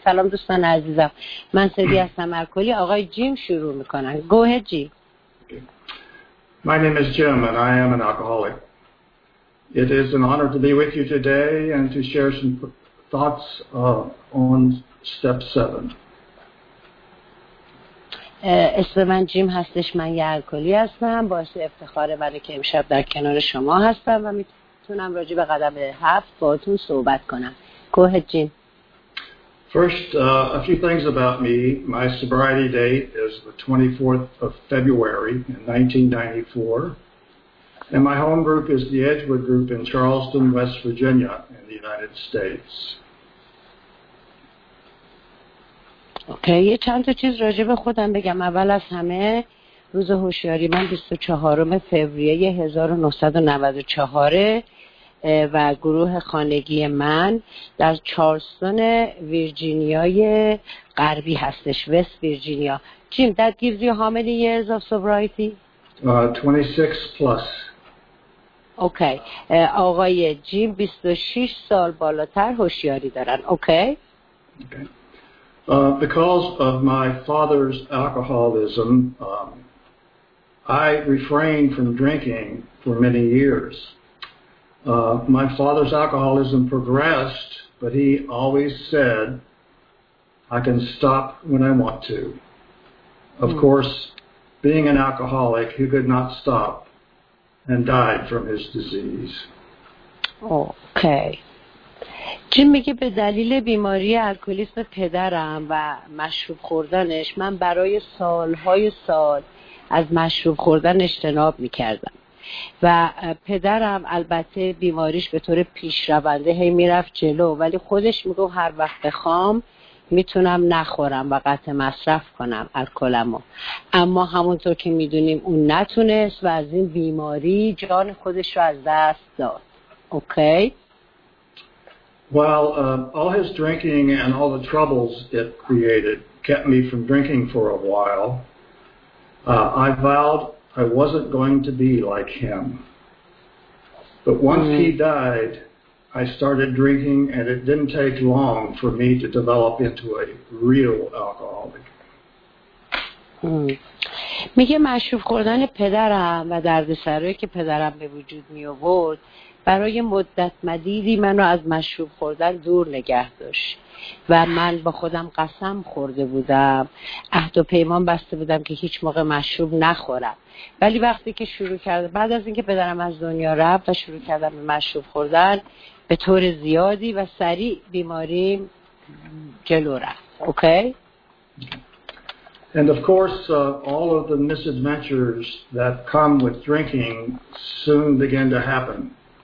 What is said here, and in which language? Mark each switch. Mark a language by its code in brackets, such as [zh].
[fa] سلام دوستان عزیزم. من سدی هستم ارکولی. آقای جیم شروع میکنن. [en] Go ahead, [fa] جیم. [en] My name is Jim and I am an alcoholic. It is an honor to be with you today and to share some thoughts on step 7. [fa] اسم من جیم هستش، من یه الکلی هستم. باعث افتخاره برای که امشب در کنار شما هستم و میتونم راجع به قدم 7 باهاتون صحبت کنم. [en] گوه Jim. First, a few things about me. My sobriety date is the 24th of February in 1994. And my home group is the Edgewood group in Charleston, West Virginia in the United States. [fa] اوکی، یه چند تا چیز راجع به خودم بگم. اول از همه روز هوشیاری من 24 فوریه 1994 و گروه خانگی من در چارلستون ویرجینیای غربی هستش، وست ویرجینیا. [en] Jim, that gives you how many years of sobriety? 26 plus. [fa] اوکی، آقای جیم 26 سال بالاتر هوشیاری دارن. [en] Okay. Because of my father's alcoholism, I refrained from drinking for many years. My father's alcoholism progressed, but he always said, I can stop when I want to. Of course, being an alcoholic, he could not stop and died from his disease. Okay. [fa] جیم میگه به دلیل بیماری الکلیسم پدرم و مشروب خوردنش، من برای سالهای سال از مشروب خوردن اجتناب میکردم و پدرم البته بیماریش به طور پیشرونده هی میرفت جلو، ولی خودش میگه هر وقت بخوام میتونم نخورم و قطع مصرف کنم الکلمو، اما همونطور که میدونیم اون نتونست و از این بیماری جان خودش رو از دست داد. [en] Okay. While all his drinking and all the troubles it created kept me from drinking for a while, I vowed I wasn't going to be like him. But once he died, I started drinking, and it didn't take long for me to develop into a real alcoholic. [fa] میگه مشروب خوردن پدرم و دردسرایی که پدرم به وجود می آورد برای مدت مدیدی منو از مشروب خوردن دور نگه داشت و من با خودم قسم خورده بودم، عهد و پیمان بسته بودم که هیچ موقع مشروب نخورم، ولی وقتی که شروع کردم، بعد از اینکه پدرم از دنیا رفت و شروع کردم به مشروب خوردن، به طور زیادی و سریع بیماریم جلو رفت. [en] Okay. And of course, all of the misadventures that come with drinking soon began to happen.